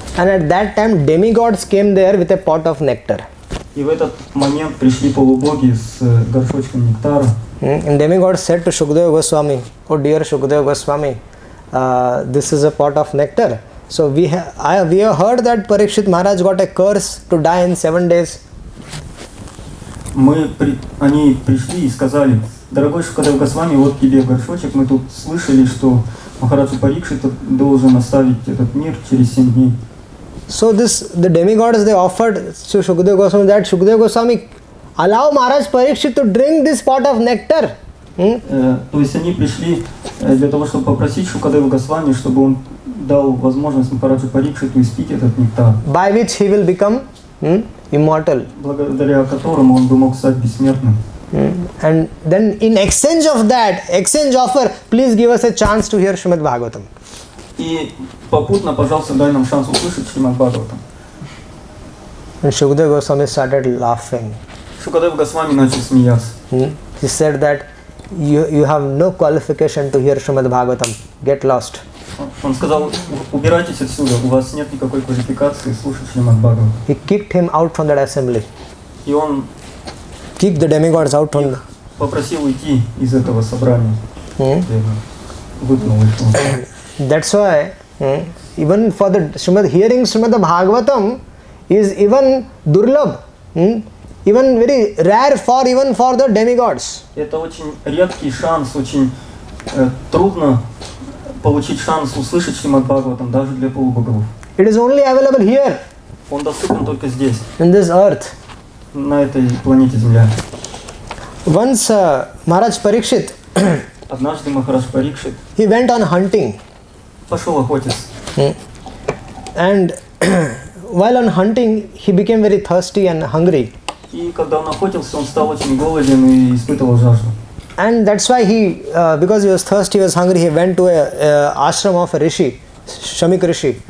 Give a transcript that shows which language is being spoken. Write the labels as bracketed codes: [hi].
[en] And at that time demigods came there with a pot of nectar. [ru] И в этот момент пришли полубоги с горшочком нектара. [en] And demigods said to Shukadeva Goswami, oh dear Shukadeva Goswami, this is a pot of nectar. So we have heard that Parikshit Maharaj got a curse to die in 7 days. [ru] Они пришли и сказали, дорогой Шукадев Госвами, вот тебе горшочек, мы тут слышали, что Махараджа Парикшит должен оставить этот мир через 7 дней. [en] So the demigods they offered to Shukadev Goswami that Shukadev Goswami allow Maharaj Parikshit to drink this pot of nectar. [ru] То есть они пришли для того, чтобы попросить Шукадева Госвами, чтобы он дал возможность Махараджу Парикшиту испить этот нектар. [en] By which he will become immortal. [ru] Благодаря которому он бы мог стать бессмертным. [en] And then in exchange of that, exchange offer, please give us a chance to hear Shrimad Bhagavatam. [ru] И попутно, пожалуйста, дай нам шанс услышать Шримад Бхагаватам. [en] And Шукадева Госвами started laughing. [ru] Шукадева Госвами начал смеяться. [en] He said that You have no qualification to hear Shrimad Bhagavatam. Get lost. [ru] Он сказал, убирайтесь отсюда. У вас нет никакой квалификации слушать Шримад Бхагаватам. [en] He kicked him out from that assembly. [ru] И он [en] kicked the demigods out from. [ru] Попросил уйти из этого собрания. Выгнал их. [en] That's why even for the hearing Shrimad Bhagavatam is even durlabh. Even very rare for even for the demigods. [ru] Это очень редкий шанс, очень трудно получить шанс услышать Шримад Бхагаватам даже для полубогов. [en] It is only available here. [ru] Он доступен только здесь. [en] In this earth. [ru] На этой планете Земля. [en] Once Maharaj Parikshit. [ru] Однажды Махарадж Парикшит. [en] He went on hunting. [ru] Пошел охотиться. [en] And while on hunting, he became very thirsty and hungry. [ru] И когда он охотился, он стал очень голоден и испытывал жажду. [en] And that's why he, because he was thirsty, he was hungry, he went to a ashram of a rishi, Shamik Rishi.